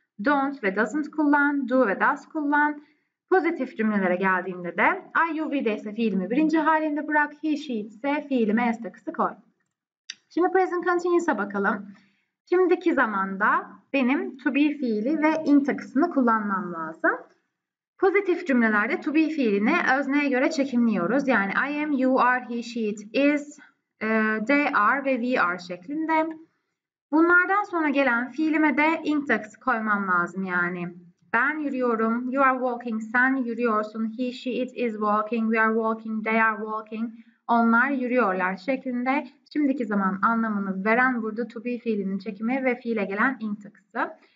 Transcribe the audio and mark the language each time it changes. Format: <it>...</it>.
<tr>Don't ve doesn't kullan. Do ve does kullan. Pozitif cümlelere geldiğinde de I, you, we, they ise fiilimi birinci halinde bırak. He, she, it ise fiilime s takısı koy. Şimdi present continuous'a bakalım. Şimdiki zamanda benim to be fiili ve in takısını kullanmam lazım. Pozitif cümlelerde to be fiilini özneye göre çekimliyoruz. Yani</tr> <en>I am, you are, he, she, it is, they are</en> <tr>ve we are şeklinde. Bunlardan sonra gelen fiilime de in takısı koymam lazım yani. Ben yürüyorum,</tr> <en>you are walking,</en> <tr>sen yürüyorsun,</tr> <en>he, she, it is walking, we are walking, they are walking,</en> <tr>onlar yürüyorlar</tr> <en>şeklinde.</en> <tr>Şimdiki zaman anlamını veren burada to be fiilinin çekimi ve fiile gelen in takısı.</tr>